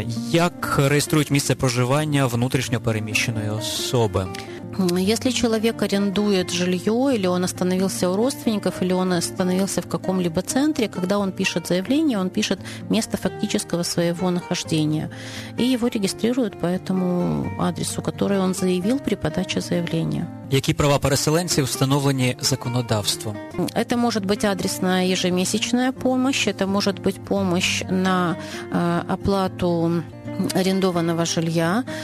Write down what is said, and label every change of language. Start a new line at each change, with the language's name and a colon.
Ukrainian: Як реєструють місце проживання внутрішньопереміщеної особи?
Russian: Если человек арендует жилье, или он остановился у родственников, или он остановился в каком-либо центре, когда он пишет заявление, он пишет место фактического своего нахождения. И его регистрируют по этому адресу, который он заявил при подаче заявления.
Ukrainian: Які права переселенців встановлені законодавством?
Russian: Это может быть адресная ежемесячная помощь, это может быть помощь на оплату арендованного жилья.